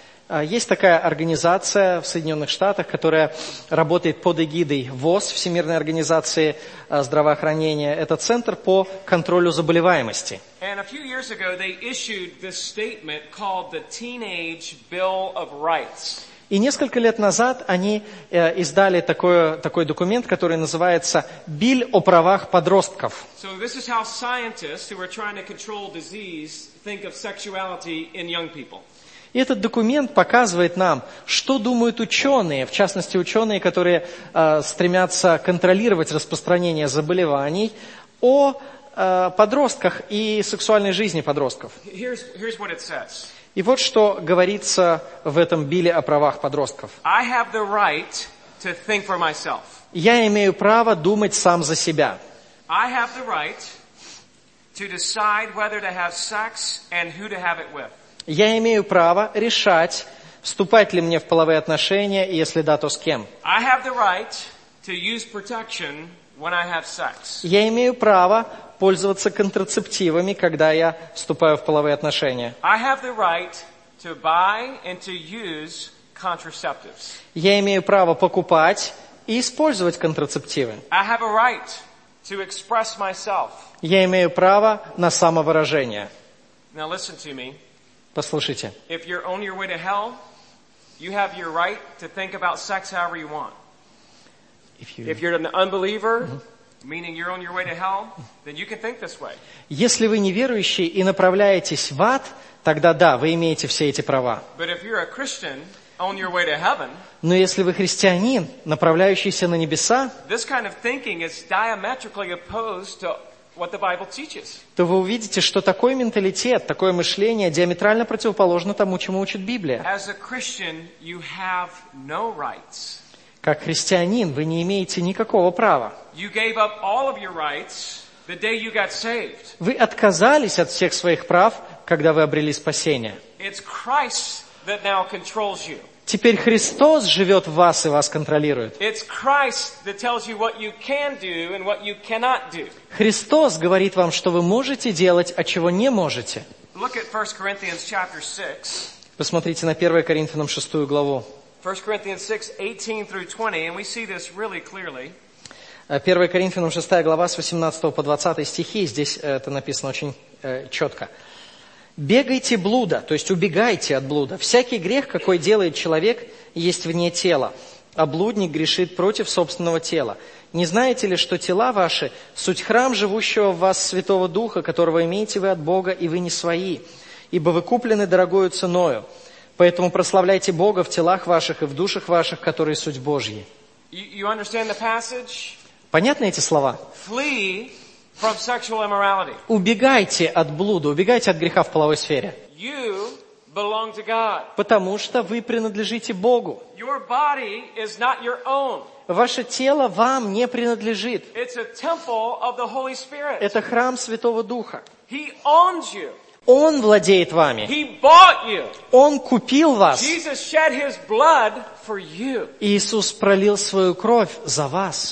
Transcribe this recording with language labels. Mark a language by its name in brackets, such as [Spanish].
[Russian] Есть такая организация в Соединенных Штатах, которая работает под эгидой ВОЗ, Всемирной организации здравоохранения. Это центр по контролю заболеваемости. [English] And a few years ago they issued this statement called the Teenage Bill of Rights. [Russian] И несколько лет назад они издали такой документ, который называется «Биль о правах подростков». [English] So this is how scientists who are trying to control disease think of sexuality in young people. [Russian] И этот документ показывает нам, что думают ученые, в частности ученые, которые стремятся контролировать распространение заболеваний, о подростках и сексуальной жизни подростков. [English] Here's what it says. [Russian] И вот что говорится в этом биле о правах подростков. [English] I have the right to think for myself. [Russian] Я имею право думать сам за себя. [English] I have the right to decide whether to have sex and who to have it with. [Russian] Я имею право решать, вступать ли мне в половые отношения, и если да, то с кем. [English] I have the right to use protection when I have sex. [Russian] Я имею право пользоваться контрацептивами, когда я вступаю в половые отношения. [English] I have the right to buy and to use contraceptives. [Russian] Я имею право покупать и использовать контрацептивы. [English] I have a right to express myself. [Russian] Я имею право на самовыражение. [English] Now listen to me. [Russian] Послушайте. [English] If you're on your way to hell, you have your right to think about sex however you want. If you're an unbeliever, meaning you're on your way to hell, then you can think this way. [Russian] Если вы неверующий и направляетесь в ад, тогда да, вы имеете все эти права. [English] But if you're a Christian on your way to heaven, [Russian] но если вы христианин, направляющийся на небеса, [English] this kind of thinking is diametrically opposed to what the Bible teaches. [Russian] То вы увидите, что такой менталитет, такое мышление диаметрально противоположно тому, чему учит Библия. [English] As a Christian, you have no rights. [Russian] Как христианин, вы не имеете никакого права. [English] You gave up all of your rights the day you got saved. [Russian] Вы отказались от всех своих прав, когда вы обрели спасение. [English] It's Christ that now controls you. [Russian] Теперь Христос живет в вас и вас контролирует. [English] It's Christ that tells you what you can do and what you cannot do. [Russian] Христос говорит вам, что вы можете делать, а чего не можете. [English] Look at 1 Corinthians chapter 6. [Russian] Посмотрите на 1 Коринфянам 6 главу. [English] 1 Corinthians 6, 18 through 20, and we see this really clearly. [Russian] 1 Коринфянам 6 глава с 18 по 20 стихи, здесь это написано очень четко. «Бегайте блуда», то есть убегайте от блуда. «Всякий грех, какой делает человек, есть вне тела, а блудник грешит против собственного тела. Не знаете ли, что тела ваши – суть храм живущего в вас Святого Духа, которого имеете вы от Бога, и вы не свои, ибо вы куплены дорогою ценою? Поэтому прославляйте Бога в телах ваших и в душах ваших, которые суть Божьи». [English] You understand the passage? [Russian] Понятны эти слова? [English] Flee from sexual immorality. [Russian] Убегайте от блуда, убегайте от греха в половой сфере. [English] You belong to God. [Russian] Потому что вы принадлежите Богу. [English] Your body is not your own. [Russian] Ваше тело вам не принадлежит. [English] It's a temple of the Holy Spirit. [Russian] Это храм Святого Духа. [English] He owns you. [Russian] Он владеет вами. [English] He bought you. [Russian] Он купил вас. [English] Jesus shed his blood for you. [Russian] Иисус пролил свою кровь за вас.